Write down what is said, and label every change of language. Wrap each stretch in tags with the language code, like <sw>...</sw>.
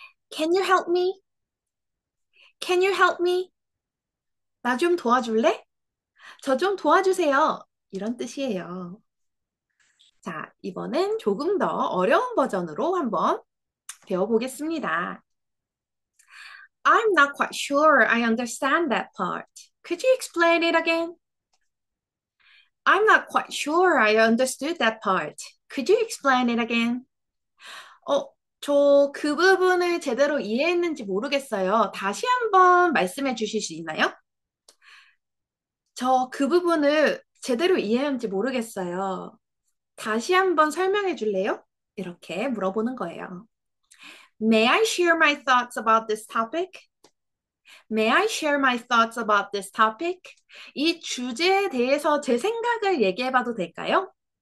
<en>Can you help me? Can you help me?</en> <ko>나좀 도와줄래? 저좀 도와주세요. 이런 뜻이에요. 자, 이번엔 조금 더 어려운 버전으로 한번 배워보겠습니다.</ko> <en>I'm not quite sure I understand that part. Could you explain it again? I'm not quite sure I understood that part. Could you explain it again?</en> <ko>저그 부분을 제대로 이해했는지 모르겠어요. 다시 한번 말씀해 주실 수 있나요? 저그 부분을 제대로 이해했는지 모르겠어요. 다시 한번 설명해 줄래요? 이렇게 물어보는 거예요.</ko> <en>May I share my thoughts about this topic? May I share my thoughts about this topic?</en> <ko>이 주제에 대해서 제 생각을 얘기해 봐도 될까요?</ko>